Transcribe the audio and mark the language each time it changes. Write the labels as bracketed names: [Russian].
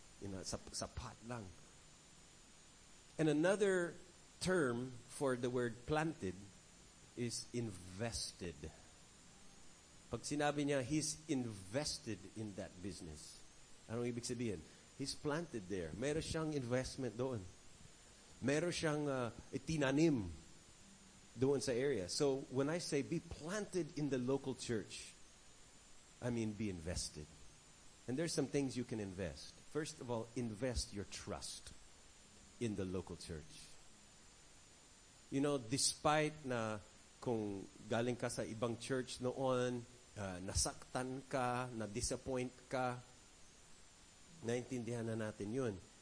[English] You know, [Filipino] sa pot lang. [English] And another term for the word planted is invested. [Filipino] Pag sinabi niya, [English] he's invested in that business. [Filipino] Anong ibig sabihin? [English] He's planted there. [Filipino] Meron siyang investment doon. Meron siyang itinanim doon sa area. [English] So when I say be planted in the local church, I mean be invested. And there's some things you can invest. First of all, invest your trust in the local church. [Filipino] You know, despite na kung galing ka sa ibang church noon, nasaktan ka, na-disappoint ka, naintindihan na natin yun.